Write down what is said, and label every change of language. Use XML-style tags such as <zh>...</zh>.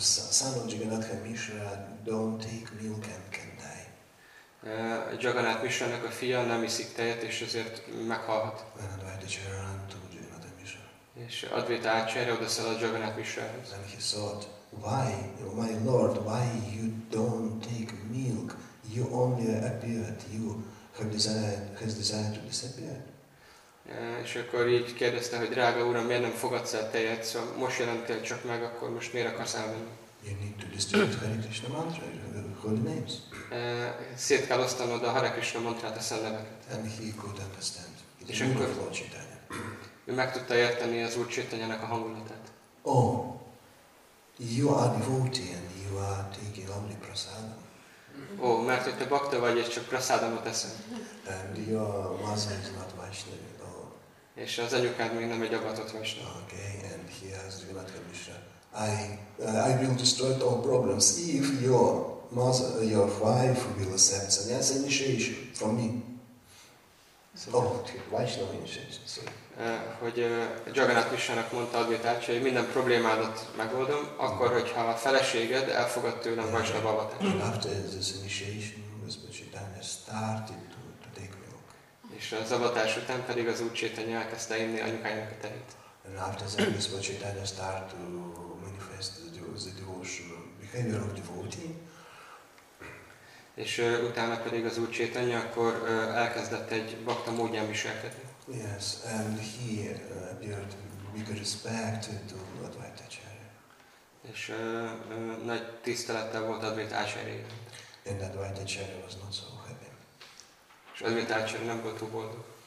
<en>Son of Jagannatha Mishra, don't take milk and can die.</en> <hu>Jagannath Mishra-nak a fia nem iszik tejet, és ezért meghalhat.</hu> <en>And Advaita Acharya ran to Jagannatha Mishra.</en> <hu>És Advaita Acharya odaszaladt Jagannath Mishrahoz.</hu> <en>And he thought, why, my lord, why you don't take milk? You only appeared, you have desire to disappear.</en> <hu>És akkor így kérdezte, hogy drága uram, miért nem fogadsz el tejet, szóval most jelentél csak meg, akkor most miért akarsz elvenni?</hu> <en>You need to distribute Hare Krishna mantra, the holy names.</en> <hu>Szét kell osztanod a Hare Krishna mantrát, a szelleveket.</hu> <en>And he could understand.</en> <hu>És akkor ő meg tudta érteni az Úr Chaitanyának a hangulatát.</hu> <en>Oh, you are devotee and you are taking only prasadam.</en> <hu>Ó, oh, mert hogy te bakta vagy, és csak prasadamot eszem.</hu> <en>And your mother is not Vaishnavi.</en> <hu>És az anyukád még nem egy avatott vasna.</hu> <en>Okay, and he has the Jagannatha Mishra. I will destroy all problems if your mother, your wife will accept sannyasa initiation from me. So, Vaishnava initiation, sorry.</en> <hu>Hogy Jagannatha Mishra-nak mondta Advaita Acharya, hogy minden problémádat megoldom, akkor, hogyha a feleséged elfogad tőlem Vaishnava avatást.</hu> <en>After this initiation, Rupa Chaitanya started to take milk.</en> <hu>És az avatás után pedig az Úr Chaitanya elkezdte inni anyukájának a tejét.</hu> <en>And after that, Rupa Chaitanya start to manifest the devotional behavior of devotee.</en> <hu>És utána pedig az Úr Chaitanya akkor elkezdett egy bhakta módján viselkedni.</hu> <en>Yes, and he appeared with respect to Advaita Acharya.</en> <hu>És nagy tisztelettel volt Advaita Acharya.</hu> <en>And Advaita Acharya was not so happy.</en> <hu>És Advaita Acharya nem volt túl boldog.</hu>